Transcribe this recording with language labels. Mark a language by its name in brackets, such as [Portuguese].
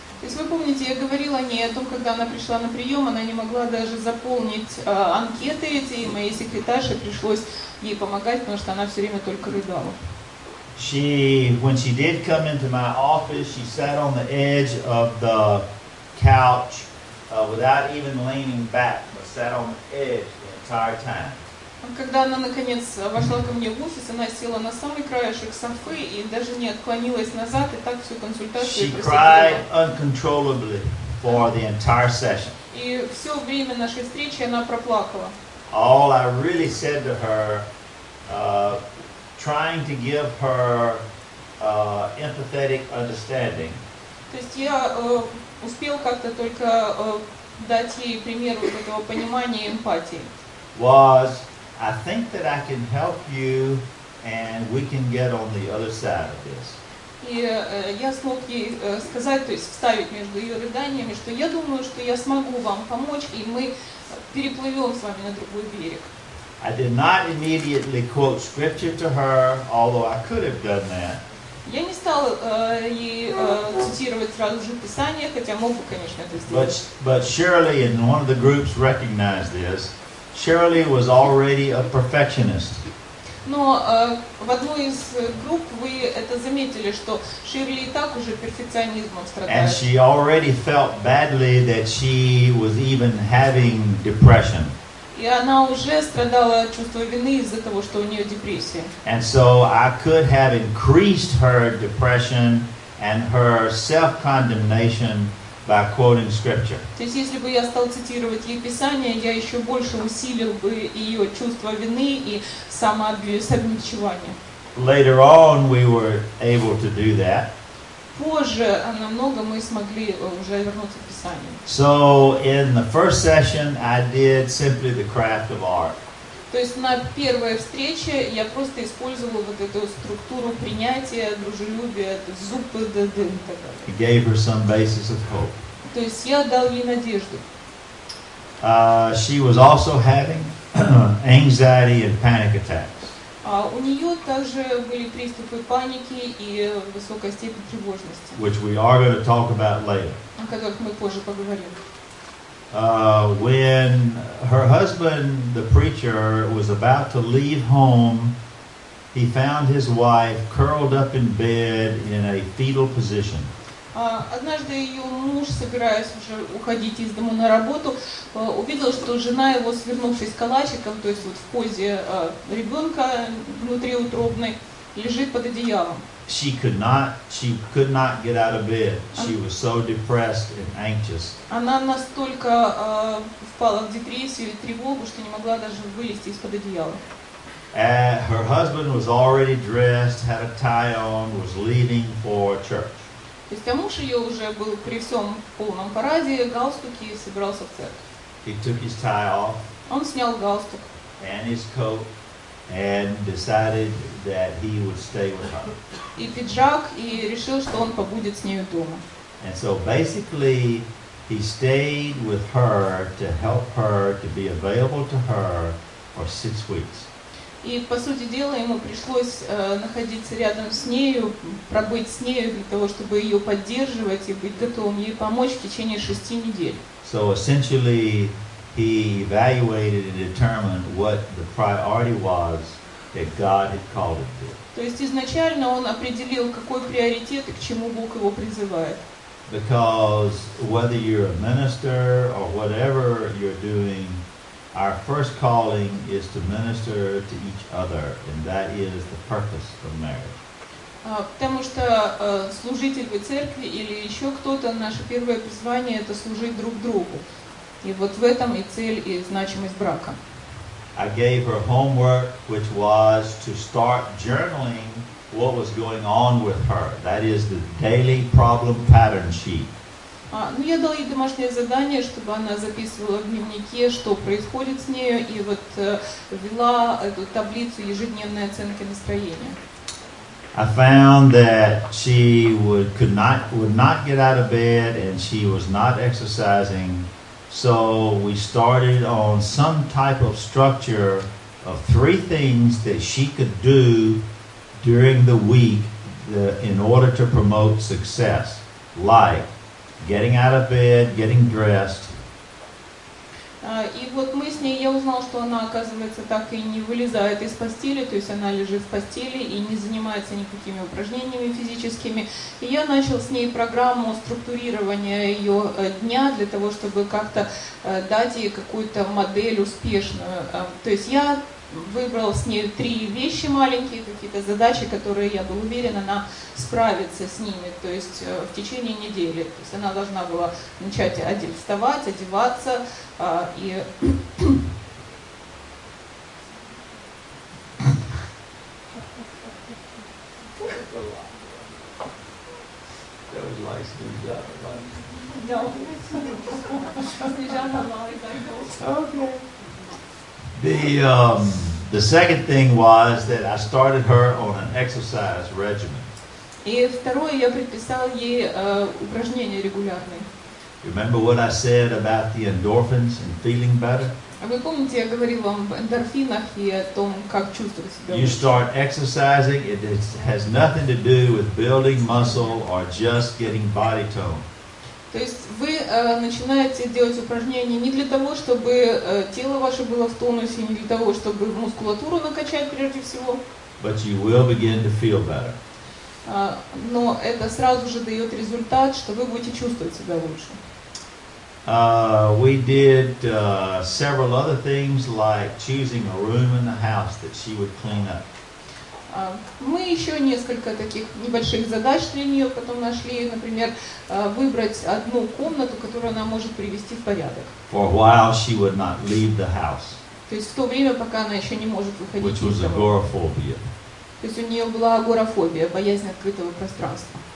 [Russian] То есть вы помните, я говорила о ней о том, когда она пришла на прием, она не могла даже заполнить анкеты эти, и моей секретарше пришлось ей помогать, потому что она все время только рыдала. [English] She, when she did come into my office, she sat on the edge of the couch without even leaning back, but sat on the edge the entire time. [Russian] Когда она наконец вошла ко мне в офис, она села на самый краешек софы и даже не отклонилась назад, и так всю консультацию [English] She cried uncontrollably for the entire session. [Russian] И все время нашей встречи она проплакала. [English] All I really said to her, trying to give her empathetic understanding. [Russian] То есть я успел как-то только дать ей пример вот этого понимания и эмпатии. [English] Was, I think that I can help you and we can get on the other side of this. [Russian] И я смог ей сказать, то есть вставить между ее рыданиями, что я думаю, что я смогу вам помочь, и мы переплывем с вами на другой берег. [English] I did not immediately quote scripture to her, although I could have done that. [Russian] Я не стал ей цитировать сразу же Писание, хотя мог бы, конечно, это сделать. [English] But Shirley, and one of the groups recognized this, Shirley was already a perfectionist. [Russian] Но в одной из групп вы это заметили, что Ширли и так уже перфекционизмом страдает. [English] And she already felt badly that she was even having depression. [Russian] И она уже страдала от чувства вины из-за того, что у нее депрессия. [English] And so I could have increased her depression and her self-condemnation by quoting scripture. [Russian] То есть, если бы я стал цитировать ей Писание, я еще больше усилил бы ее чувство вины и самообвинчивание. [English] Later on, we were able to do that. [Russian] Позже, намного, мы смогли уже вернуться к Писанию. [English] So, in the first session, I did simply the craft of art. [Russian] То есть, на первой встрече я просто использовал вот эту структуру принятия, дружелюбия, зубы, дым, так далее. [English] I gave her some basis of hope. [Russian] То есть, я дал ей надежду. [English] She was also having anxiety and panic attacks. [Russian] У нее также были приступы паники и высокой степени тревожности. [English] Which we are going to talk about later. [Russian] О которых мы позже поговорим. [English] When her husband, the preacher, was about to leave home, he found his wife curled up in bed in a fetal position. [Russian] Однажды ее муж, собираясь уже уходить из дому на работу, увидел, что жена его, свернувшись калачиком, то есть вот в позе ребенка внутриутробной, лежит под одеялом. [English] She could not get out of bed. She was so depressed and anxious. [Russian] Она настолько впала в депрессию и тревогу, что не могла даже вылезти из-под одеяла. [English] Her husband was already dressed, had a tie on, was leaving for church. [Russian] То есть, а муж ее уже был при всем полном параде, галстуке и собирался в церковь. [English] He took his tie off. [Russian] Он снял галстук. [English] And his coat. And decided that he would stay with her. [Russian] И пиджак, и решил, что он побудет с нею дома. [English] And so basically, he stayed with her to help her, to be available to her for 6 weeks. [Russian] И по сути дела, ему пришлось находиться рядом с нею, пробыть с нею для того, чтобы ее поддерживать и быть готовым ей помочь в течение 6 недель. [English] So essentially, he evaluated and determined what the priority was that God had called him to. [Russian] То есть изначально он определил, какой приоритет и к чему Бог его призывает. [English] Because whether you're a minister or whatever you're doing, our first calling is to minister to each other, and that is the purpose of marriage. [Russian] Потому что служитель в церкви или еще кто-то, наше первое призвание — это служить друг другу. И вот в этом и цель, и значимость брака. [English] I gave her homework, which was to start journaling what was going on with her. That is the daily problem pattern sheet. [Russian] Ну, я дал ей домашнее задание, чтобы она записывала в дневнике, что происходит с нею, и вот вела эту таблицу ежедневной оценки настроения. [English] I found that she would not get out of bed, and she was not exercising. So we started on some type of structure of 3 things that she could do during the week in order to promote success, like getting out of bed, getting dressed. [Russian] И вот мы с ней, я узнал, что она, оказывается, так и не вылезает из постели, то есть она лежит в постели и не занимается никакими упражнениями физическими. И я начал с ней программу структурирования ее дня для того, чтобы как-то дать ей какую-то модель успешную. То есть я выбрал с ней 3 вещи маленькие, какие-то задачи, которые я был уверен, она справится с ними, то есть в течение недели. То есть она должна была начать вставать, одеваться, и... [English] That was nice. The second thing was that I started her on an exercise regimen. [Russian] И второе, я предписал ей упражнения регулярные. [English] Remember what I said about the endorphins and feeling better? [Russian] Вы помните, я говорил вам об эндорфинах и о том, как чувствовать себя лучше? [English] You start exercising, it has nothing to do with building muscle or just getting body tone. [Russian] То есть вы начинаете делать упражнения не для того, чтобы тело ваше было в тонусе, не для того, чтобы мускулатуру накачать прежде всего. [English] But you will begin to feel better. [Russian] Но это сразу же дает результат, что вы будете чувствовать себя лучше. [English] We did several other things, like choosing a room in the house that she would clean up. [Russian] Мы еще несколько таких небольших задач для нее потом нашли, например, выбрать одну комнату, которую она может привести в порядок. [English] For a while she would not leave the house. [Russian] То есть в то время, пока она еще не может выходить из дома. [English] Which was agoraphobia. [Russian] То есть у нее была агорафобия, боязнь открытого пространства.